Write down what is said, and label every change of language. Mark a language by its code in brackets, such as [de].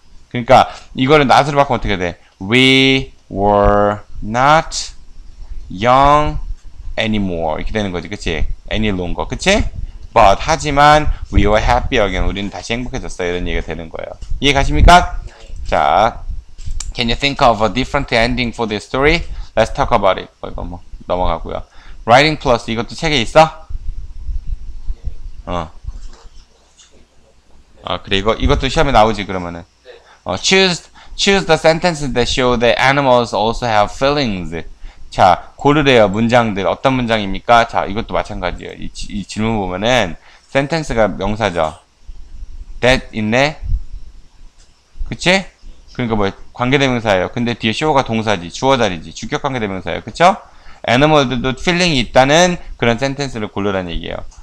[ko] 그러니까, 이거를 not으로 바꾸면 어떻게 돼? [en] we were not young anymore [ko] 이렇게 되는 거지, 그치? [en] any longer, 그치? but [ko] 하지만 [en] we were happy again. [ko] 우리는 다시 행복해졌어. 이런 얘기가 되는 거예요. 이해 가십니까? [en] 자, can you think of a different ending for this story? let's talk about it. [ko] 어, 이거 뭐 넘어가고요. writing plus 이것도 책에 있어? 어. 아 그래 이거 이것도 시험에 나오지 그러면은. [en] 어, choose the sentences that show that animals also have feelings. [ko] 자, 고르래요. 문장들. 어떤 문장입니까? 자, 이것도 마찬가지예요. 이 질문 보면은 sentence가 명사죠. that 있네? 그치? 그러니까 뭐 관계대명사예요. 근데 뒤에 show가 동사지. 주어 자리지. 주격 관계대명사예요. 그쵸? animal들도 feeling이 있다는 그런 sentence를 고르라는 얘기예요.